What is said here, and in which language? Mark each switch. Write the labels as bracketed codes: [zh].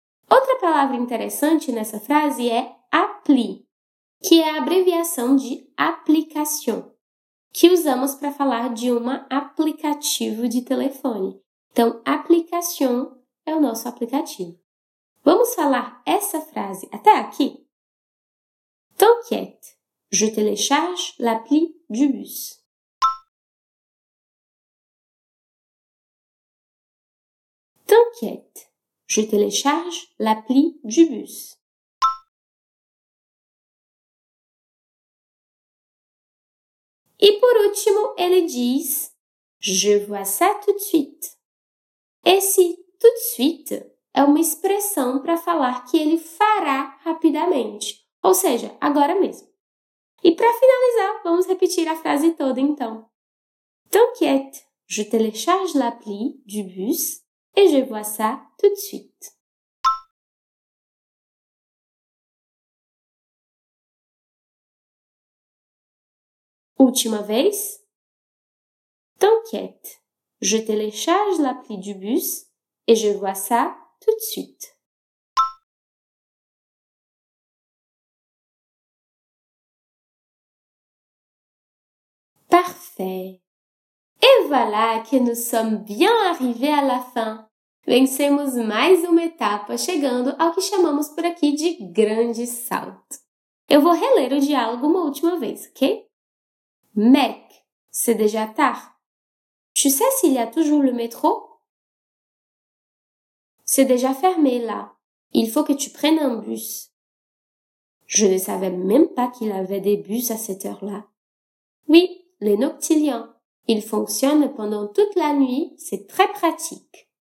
[pt] Outra palavra interessante nessa frase é appli, que é a abreviação de application, que usamos para falar de um aplicativo de telefone. Então, application é o nosso aplicativo. Vamos falar essa frase até aqui? [fr] T'inquiète. Je télécharge l'appli du bus. T'inquiète, je télécharge l'appli du bus. Et pour último, elle dit, je vois ça tout de suite. [pt] Esse [fr] tout de suite [pt] é uma expressão para falar que ele fará rapidamente, ou seja, agora mesmo. E para finalizar, vamos repetir a frase toda então. [fr] T'inquiète, je télécharge l'appli du bus et je vois ça tout de suite. Última vez. T'inquiète, je télécharge l'appli du bus et je vois ça tout de suite. Parfait. Et voilà que nous sommes bien arrivés à la fin. [pt] Vencemos mais uma etapa, chegando ao que chamamos por aqui de grande salto. Eu vou reler o diálogo uma última vez, ok? [fr] Mec, c'est déjà tard. Tu sais s'il y a toujours le métro? C'est déjà fermé là. Il faut que tu prennes un bus. Je ne savais même pas qu'il avait des bus à cette heure-là. Oui, les noctiliens. Ils fonctionnent pendant toute la nuit, c'est très pratique.